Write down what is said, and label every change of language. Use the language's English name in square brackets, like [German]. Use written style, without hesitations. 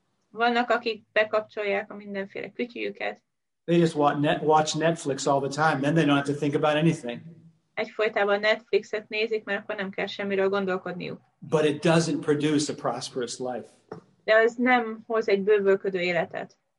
[Hungarian] Vannak, akik bekapcsolják a mindenféle kütyüket. [English] They just watch Netflix all the time, then they don't have to think about anything. [Hungarian] Egyfolytában Netflixet nézik, mert akkor nem kell semmiről gondolkodniuk. [English] But it doesn't produce a prosperous life. [Hungarian] De az nem hoz egy bővölködő életet.